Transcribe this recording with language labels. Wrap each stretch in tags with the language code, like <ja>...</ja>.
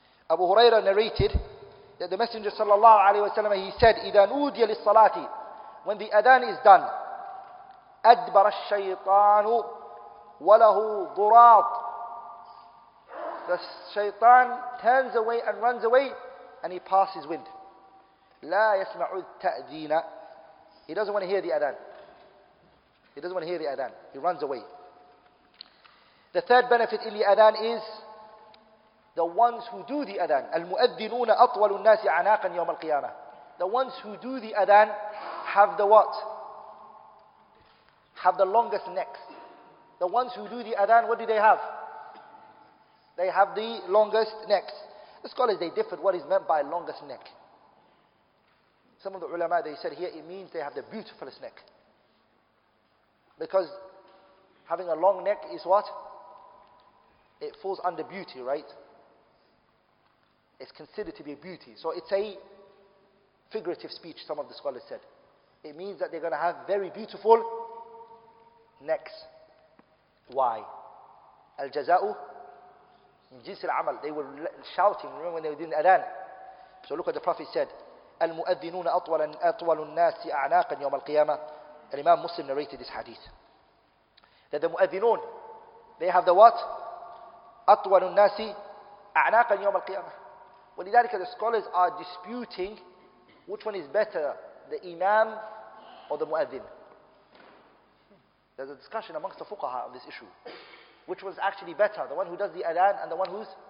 <en>Abu Hurairah narrated that the Messenger sallallahu alaihi wasallam, he said,</en> <ar>إِذَا نُودِيَ لِلصَّلَاةِ,</ar> <en>when the adhan is done,</en> <ar>أَدْبَرَ الشَّيْطَانُ وَلَهُ ضُرَاطٌ,</ar> <en>the shaytan turns away and runs away and he passes wind.</en> <ar>لَا يَسْمَعُ التَّأْذِينَ,</ar> <en>he doesn't want to hear the adhan. He doesn't want to hear the adhan. He runs away. The third benefit in the adhan is the ones who do the adhan.</en> <ar>المؤذنون أطول الناس عناقا يوم القيامة.</ar> <en>The ones who do the adhan have the what? Have the longest necks. The ones who do the adhan, what do they have? They have the longest necks. The scholars, they differed what is meant by longest neck. Some of the ulama, they said here, it means they have the beautifulest neck. Because having a long neck is what? It falls under beauty, right? It's considered to be a beauty. So it's a figurative speech, some of the scholars said. It means that they're going to have very beautiful necks. Why?</en> <ar>Al-jaza'u min jins al-amal.</ar> <en>They were shouting, remember when they were doing the adhan? So look what the Prophet said.</en> <ar>المؤذنون أطول الناس أعناقا يوم القيامة.</ar> <en>الإمام مسلم narrated this hadith. That the مؤذنون, they have the what?</en> <ar>أطول الناس أعناقا يوم القيامة.</ar> <en>ولذلك the scholars are disputing which one is better, the imam or the مؤذن. There's a discussion amongst the fuqaha on this issue. Which was actually better, the one who does the adhan and the one who's...</en>